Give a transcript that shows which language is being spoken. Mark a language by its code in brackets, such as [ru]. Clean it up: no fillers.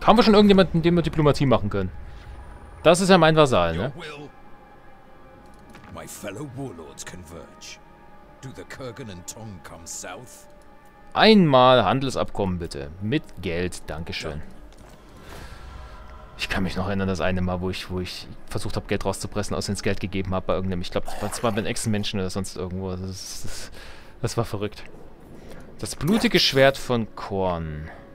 [de] Haben wir schon irgendjemanden, dem wir Diplomatie machen können? Das ist ja mein Vasall, ne? [en] My fellow warlords converge. Do the Kurgan and Tong come south? [de] Einmal Handelsabkommen bitte. Mit Geld, dankeschön. Ich kann mich noch erinnern, das eine Mal, wo ich versucht habe, Geld rauszupressen, außer ins Geld gegeben habe bei irgendeinem. Ich glaube, das war bei den Echsenmenschen oder sonst irgendwo. Das war verrückt. Das blutige Schwert von Korn.